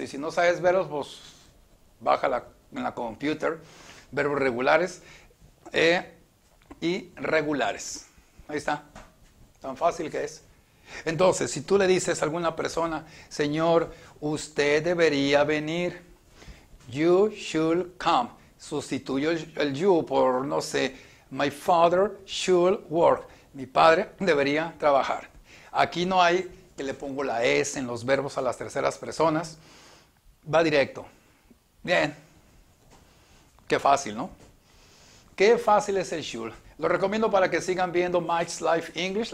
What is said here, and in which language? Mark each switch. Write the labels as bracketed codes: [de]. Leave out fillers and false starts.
[es] Y si no sabes verbos, pues baja en la computer. Verbos regulares e irregulares. Ahí está. Tan fácil que es. Entonces, si tú le dices a alguna persona, Señor, usted debería venir. [en] You should come. [es] Sustituyo el you por, no sé, [en] my father should work. [es] Mi padre debería trabajar. Aquí no hay que le pongo la S en los verbos a las terceras personas. Va directo. Bien. Qué fácil, ¿no? Qué fácil es el should. Lo recomiendo para que sigan viendo Mike's Life English.